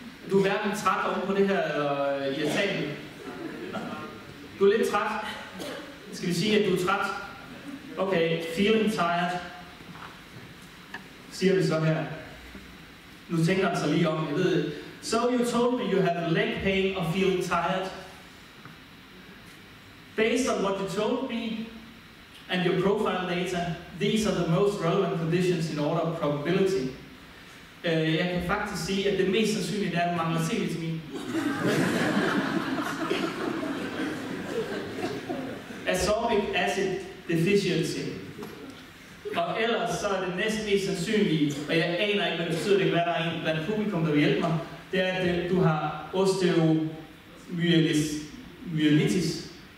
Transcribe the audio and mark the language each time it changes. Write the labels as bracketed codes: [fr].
[da] Du er hverken træt oven på det her irritabel. Du er lidt træt. Skal vi sige, at du er træt? [en] Okay, feeling tired. [da] Siger vi så her. Nu tænker han sig lige om, jeg ved. [en] So you told me you have leg pain or feeling tired. Based on what you told me and your profile data, these are the most relevant conditions in order of probability. [da] Jeg kan faktisk sige, at det mest sandsynlige er, at man mangler C-vitamin. [en] Ascorbic acid deficiency. [da] Og ellers så er det næsten mest sandsynlige, og jeg aner ikke, hvad det betyder, det kan være, der er en blandt publikum, der vil hjælpe mig, det er, at du har osteomyelitis.